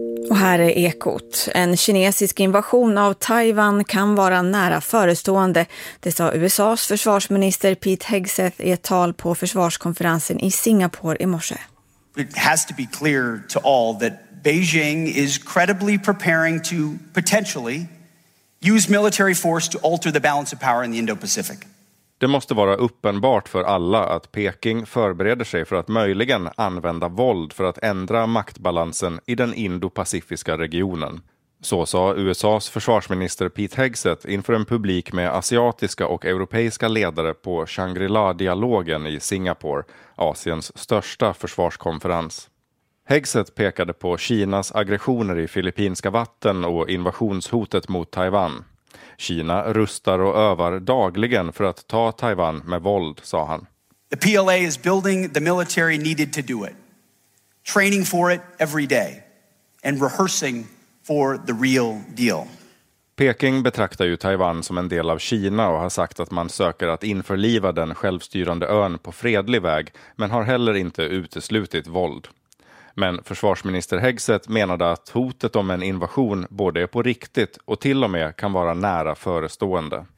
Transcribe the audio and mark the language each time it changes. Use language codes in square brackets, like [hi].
[sv] Och här är Ekot. En kinesisk invasion av Taiwan kan vara nära förestående. Det sa USAs försvarsminister Pete Hegseth i ett tal på försvarskonferensen i Singapore i morse. [en] It has to be clear to all that Beijing is credibly preparing to potentially use military force to alter the balance of power in the Indo-Pacific. [sv] Det måste vara uppenbart för alla att Peking förbereder sig för att möjligen använda våld för att ändra maktbalansen i den indopacifiska regionen. Så sa USAs försvarsminister Pete Hegseth inför en publik med asiatiska och europeiska ledare på Shangri-La-dialogen i Singapore, Asiens största försvarskonferens. Hegseth pekade på Kinas aggressioner i filippinska vatten och invasionshotet mot Taiwan. Kina rustar och övar dagligen för att ta Taiwan med våld, sa han. [en] The PLA is building the military needed to do it. Training for it every day and rehearsing for the real deal. [sv] Peking betraktar ju Taiwan som en del av Kina och har sagt att man söker att införliva den självstyrande ön på fredlig väg, men har heller inte uteslutit våld. Men försvarsminister Hegseth menade att hotet om en invasion både är på riktigt och till och med kan vara nära förestående.